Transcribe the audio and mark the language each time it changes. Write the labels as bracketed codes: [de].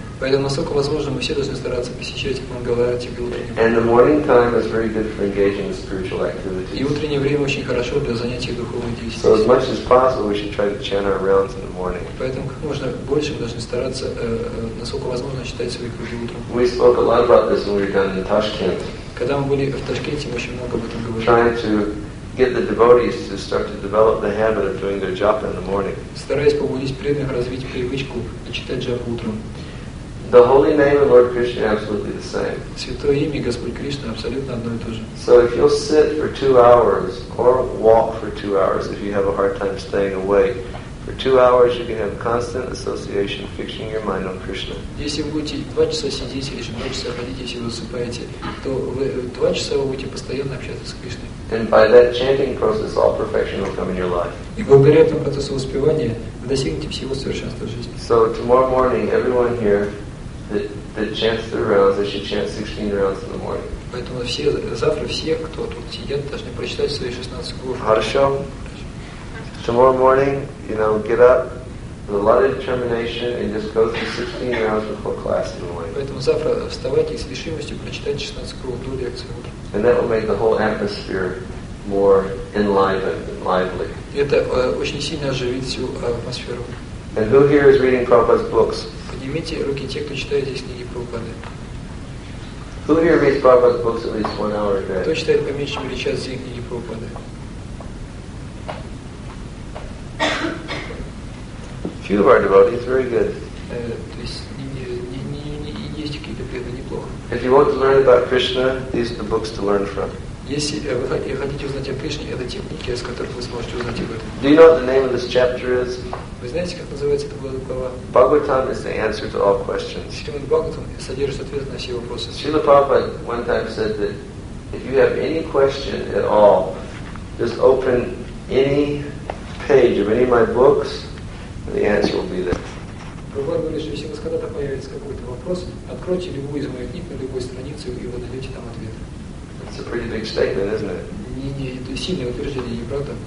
[ru] Поэтому, насколько возможно, мы все должны стараться посещать Мангаларти в утреннем. [en] And the morning time is very good for engaging in spiritual activities. [ru] И утреннее время очень хорошо для занятий духовными действиями. [en] So as much as possible, we should try to chant our rounds in the morning. [ru] Поэтому, как можно больше, мы должны стараться, насколько возможно, читать свои круги утром. [en] We spoke a lot about this when we were down in Tashkent. [ru] Когда мы были в Ташкенте, мы очень много об этом говорили. [en] Trying to get the devotees to start to develop the habit of doing their japa in the morning. [ru] Стараясь побудить преданных развить привычку читать джапу утром. [en] The holy name of Lord Krishna is absolutely the same. [ru] Святое имя Господь Кришна абсолютно одно и то же. [en] So if you'll sit for 2 hours or walk for 2 hours, if you have a hard time staying awake, for 2 hours you can have constant association, fixing your mind on Krishna. [ru] Если вы будете 2 часа сидеть или 2 часа ходить, если вы засыпаете, то вы 2 часа вы будете постоянно общаться с Кришной. [en] And by that chanting process, all perfection will come in your life. [ru] И благодаря этому процессу успевания вы достигнете всего совершенства в жизни. [en] So tomorrow morning, everyone here. That chants the rounds, they should chant 16 rounds in the morning. [ru] Поэтому все завтра все, кто тут сидит, должны прочитать свои 16 гур. Хорошо. [en] Tomorrow morning, you know, get up with a lot of determination and just go through 16 rounds before class in the morning. [ru] Поэтому завтра вставайте с решимостью прочитать 16 гур до лекции. [en] And that will make the whole atmosphere more enlivened and lively. [ru] Это очень сильно оживит всю атмосферу. [en] And who here is reading Prabhupada's books? [ru] Поднимите руки те, кто читает здесь книги Прабхупады. [en] Who here reads Prabhupada's books at least 1 hour a day? [ru] Кто читает по меньшей мере час здесь книги Прабхупады? [en] Few of our devotees, very good. [ru] То есть не есть какие-то преданные неплохо. [en] If you want to learn about Krishna, these are the books to learn from. [ru] Если вы хотите узнать о Кришне, это те книги, из которых вы сможете узнать об этом. [en] Do you know what the name of this chapter is? [ru] Вы знаете, как называется эта глава? [en] Bhagavatam is the answer to all questions. [ru] Шримад Бхагаватам содержит ответы на все вопросы. [en] Srila Prabhupada one time said that if you have any question at all, just open any page of any of my books, and the answer will be there. [ru] Прабхупада говорит, что если у вас когда-то появится какой-то вопрос, откройте любую из моих книг на любой странице, и вы найдете там ответ. [en] It's a pretty big statement, isn't it? [ru] Не, это сильное утверждение, не правда?